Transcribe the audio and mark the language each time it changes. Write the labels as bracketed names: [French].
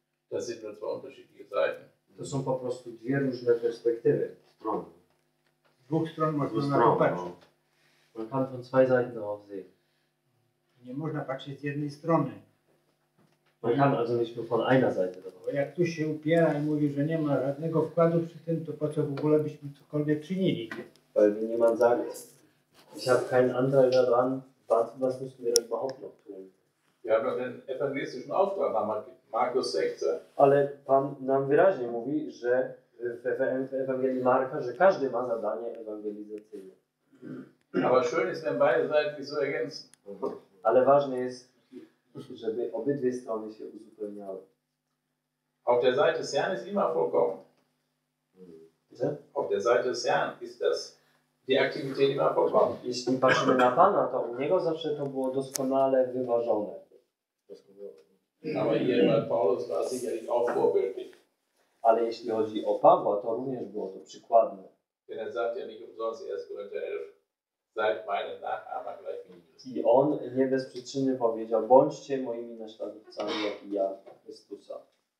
[German] Das sind nur zwei unterschiedliche Seiten. [Polish] To są po prostu dwie różne perspektywy. Z dwóch stron można na to patrzeć. [German] Man kann von zwei Seiten darauf sehen. [Polish] Nie można patrzeć z jednej strony. [German] Man kann also nicht nur von einer Seite darauf. [Polish] Jak tu się upiera i mówi, że nie ma żadnego wkładu przy tym, to po co w ogóle byśmy cokolwiek czynili? [German] Weil wir niemand sagen, ich habe keinen Anteil daran, was müssen wir denn überhaupt noch tun? Wir haben doch den evangelistischen Auftrag, Markus 16. [Polish] Ale Pan nam wyraźnie mówi, że w Ewangelii Marka, że każdy ma zadanie ewangelizacyjne. [German] Aber schön ist, wenn beide Seiten so ergänzen. [Polish] Ale ważne jest, żeby obydwie strony się uzupełniały. [German] Auf Auf der Seite des Herrn ist immer vollkommen. Bitte? Auf der Seite des Herrn ist das die Aktivität immer vollkommen. [Polish] Jeśli patrzymy na Pana, to u niego zawsze to było doskonale wyważone. [German] Aber hier bei Paulus war sicherlich auch vorbildlich. [Polish] Ale jeśli chodzi o Pawła, to również było to przykładne. [German] Denn er sagt ja nicht umsonst 1. Korinther 11. Seid meine Nachahmer gleich wie Christus. [Polish] I on nie bez przyczyny powiedział, bądźcie moimi naśladowcami, jak i ja, Chrystusa.